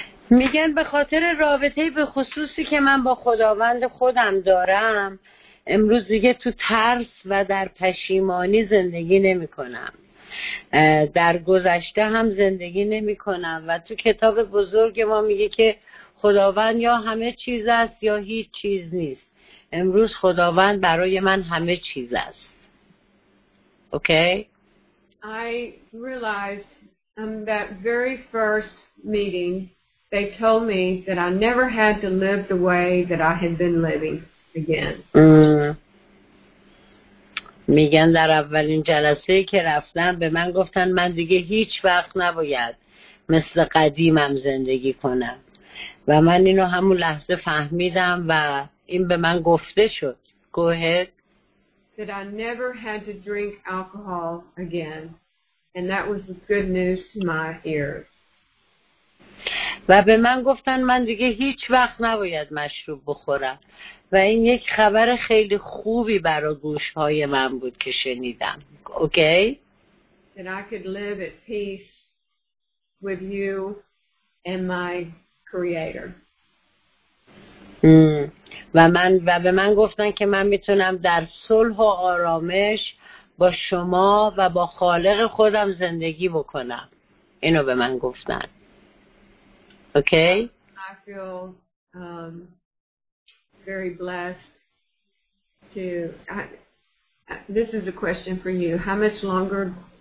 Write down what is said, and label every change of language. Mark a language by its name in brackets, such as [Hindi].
[Persian] میگن به خاطر رابطه به خصوصی که من با خداوند خودم دارم امروز دیگه تو ترس و در پشیمانی زندگی نمی کنم. در گذشته هم زندگی نمی کنم و تو کتاب بزرگ ما میگه که خداوند یا همه چیز است یا هیچ چیز نیست. امروز خداوند برای من همه چیز است. [English] Okay? I realized that very first meeting they told me that I never had to live the way that I had been living again. [Persian] میگن در اولین جلسه که رفتم به من گفتن من دیگه هیچ وقت نباید مثل قدیمم زندگی کنم و من اینو همون لحظه فهمیدم و این به من گفته شد. [English] Go ahead. That I never had to drink alcohol again, and that was the good news to my ears. [Persian] و به من گفتن من دیگه هیچ وقت نباید مشروب بخورم و این یک خبر خیلی خوبی برای گوشهای من بود که شنیدم. [English] Okay? That I could live at peace with you and my creator. [Persian] و به من گفتن که من میتونم در صلح و آرامش با شما و با خالق خودم زندگی بکنم. اینو به من گفتن. [English] Okay. I feel very blessed to. This is a question for you. How much longer